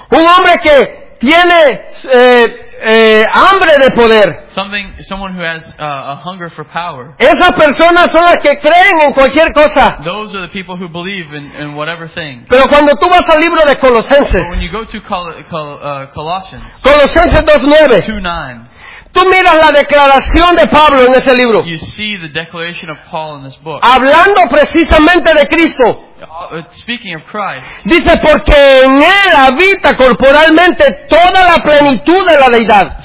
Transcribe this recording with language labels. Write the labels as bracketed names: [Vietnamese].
[Spanish] Un hombre que tiene hambre de poder. [English] Someone who has a hunger for power. [Spanish] Esas personas son las que creen en cualquier cosa. [English] Those are the people who believe in whatever thing. [Spanish] Pero cuando tú vas al libro de Colosenses. [English] But when you go to Colossians. [Spanish] Colosenses 2:9. Tú miras la declaración de Pablo en ese libro. [English] You see the declaration of Paul in this book. [Spanish] Hablando precisamente de Cristo. [English] Speaking of Christ. [Spanish] Dice porque en él habita corporalmente toda la plenitud de la deidad.